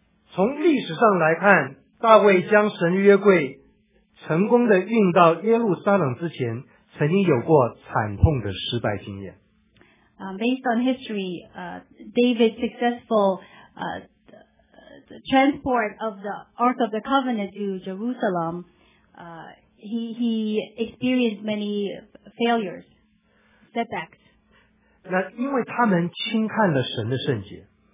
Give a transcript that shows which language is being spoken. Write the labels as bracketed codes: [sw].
[zh] 从历史上来看，大卫将神约柜成功的运到耶路撒冷之前曾经有过惨痛的失败经验。 [en] Based on history, David's successful the transport of the Ark of the Covenant to Jerusalem, he experienced many failures, setbacks. [zh] 那因为他们轻看了神的圣洁。